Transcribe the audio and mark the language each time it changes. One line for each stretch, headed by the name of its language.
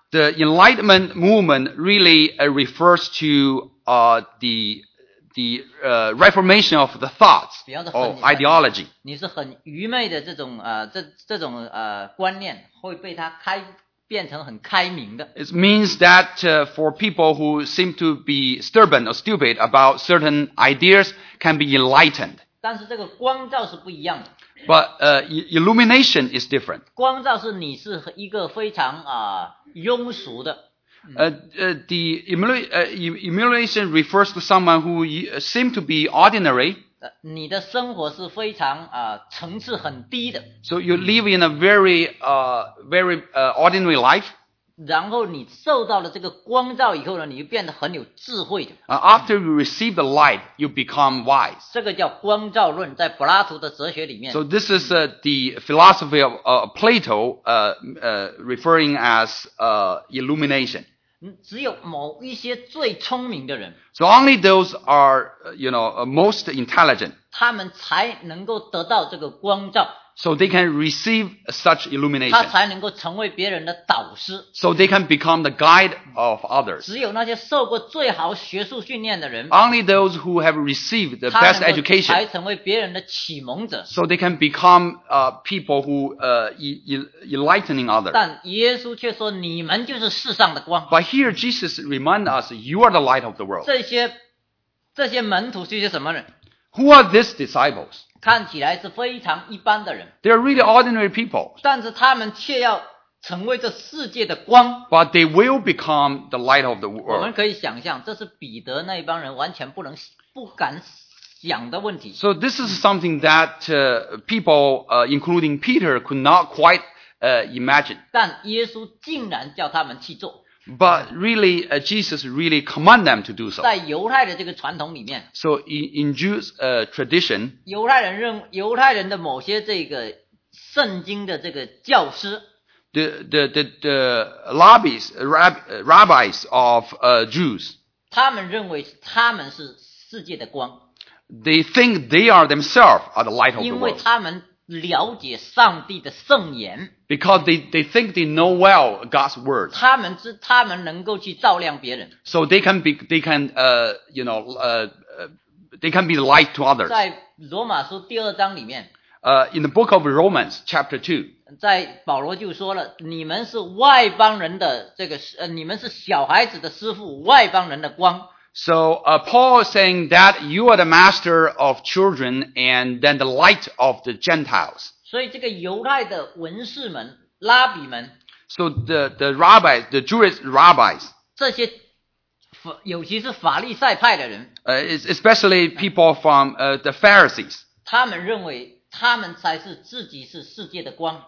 English: The Enlightenment movement really refers to the reformation of the thoughts or ideology.
Chinese: 你是很愚昧的这种观念会被它开。变成很开明的。
English: It means that for people who seem to be stubborn or stupid about certain ideas can be enlightened.
Chinese: 但是这个光照是不一样的。
English: But illumination is different.
Chinese: 光照是你是一个非常庸俗的。
English: Illumination refers to someone who seem to be ordinary.
Chinese: 你的生活是非常层次很低的。
English: So you live in a very, very ordinary life.
Chinese: 然后你受到了这个光照以后呢，你就变得很有智慧的。
English: After you receive the light, you become wise.
Chinese: 这个叫光照论，在柏拉图的哲学里面。
English: So this is the philosophy of Plato, referring as illumination.
Chinese: 只有某一些最聪明的人。
English: So only those are, most intelligent.
Chinese: 他们才能够得到这个光照。
English: So they can receive such illumination.
Chinese: 他才能够成为别人的导师。
English: So they can become the guide of others.
Chinese: 只有那些受过最好学术训练的人。
English: Only those who have received the best education.
Chinese: 才成为别人的启蒙者。
English: So they can become people who enlightening others.
Chinese: 但耶稣却说你们就是世上的光。
English: But here Jesus reminds us, you are the light of the world.
Chinese: 这些门徒是些什么人？
English: Who are these disciples?
Chinese: 看起来是非常一般的人。
English: They are really ordinary people.
Chinese: 但是他们却要成为这世界的光。
English: But they will become the light of the world.
Chinese: 我们可以想象，这是彼得那一帮人完全不敢想的问题。
English: So this is something that including Peter, could not quite imagine.
Chinese: 但耶稣竟然叫他们去做。
English: But really, Jesus really command them to do so.
Chinese: 在犹太的这个传统里面。
English: So in Jews, tradition.
Chinese: 犹太人的某些这个圣经的这个教师。
English: The rabbis of Jews.
Chinese: 他们认为他们是世界的光。
English: They think they are themselves are the light of the world.
Chinese: 因为他们了解上帝的圣言。
English: Because they think they know well God's word.
Chinese: 他们能够去照亮别人。
English: So they can be the light to others.
Chinese: 在罗马书第二章里面。
English: In the book of Romans, chapter 2.
Chinese: 在保罗就说了，你们是外邦人的这个，你们是小孩子的师父，外邦人的光。
English: So, Paul is saying that you are the master of children and then the light of the Gentiles.
Chinese: 所以这个犹太的文士们、拉比们。
English: So, the rabbis, the Jewish rabbis.
Chinese: 这些尤其是法利赛派的人。
English: Especially people from, the Pharisees.
Chinese: 他们认为他们才是自己是世界的光。